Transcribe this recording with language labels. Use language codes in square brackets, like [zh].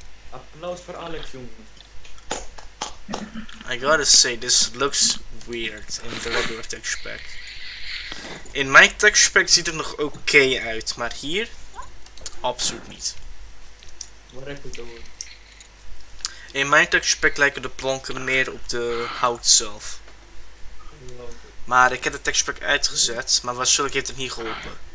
[nl] Applaus voor Alex, jongen. [en] I gotta say, this looks weird in the regular texture pack. In my texture pack [nl] ziet het nog oké uit, maar hier? Absoluut niet. Waar heb ik het over? In mijn texture pack lijken de planken meer op de hout zelf. Maar ik heb de texture pack uitgezet, maar waarschijnlijk heeft het niet geholpen.